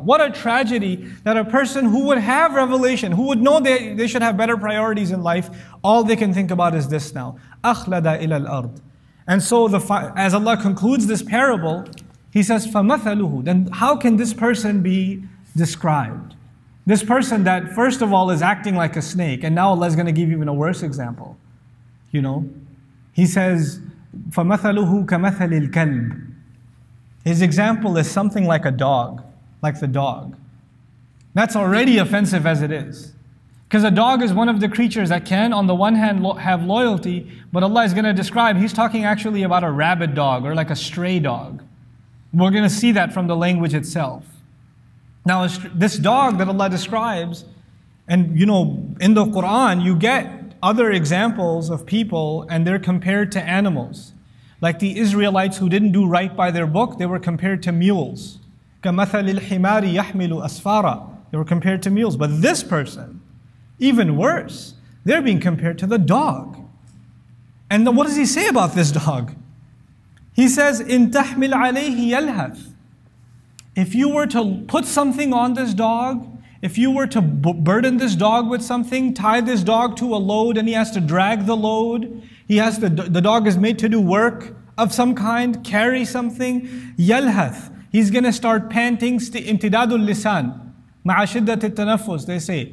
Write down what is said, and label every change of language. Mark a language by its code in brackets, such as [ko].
[en] What a tragedy that a person who would have revelation, who would know they should have better priorities in life, all they can think about is this now. [ar] أَخْلَدَ إِلَى الْأَرْضِ. [en] And so as Allah concludes this parable, He says, فَمَثَلُهُ. Then how can this person be described? This person that first of all is acting like a snake, and now Allah is going to give even a worse example. You know? He says, [ar] فَمَثَلُهُ كَمَثَلِ الْكَلْبِ. [en] His example is something like a dog, like the dog. That's already offensive as it is. Because a dog is one of the creatures that can, on the one hand, have loyalty, but Allah is going to describe, He's talking actually about a rabid dog or like a stray dog. We're going to see that from the language itself. Now, this dog that Allah describes, and you know, in the Quran, you get other examples of people and they're compared to animals. Like the Israelites who didn't do right by their book, they were compared to mules. [ar] كَمَثَلِ الْحِمَارِ يَحْمِلُ أَسْفَارًا. [en] They were compared to mules. But this person, even worse, they're being compared to the dog. And what does he say about this dog? He says, [ar] إِن تَحْمِلْ عَلَيْهِ يَلْهَثُ. [en] If you were to put something on this dog, if you were to burden this dog with something, tie this dog to a load and he has to drag the load, the dog is made to do work of some kind, carry something, يَلْهَثُ. He's going to start panting, [ar] imtidadul lisan, ma'a shiddati tanaffus, [en] they say.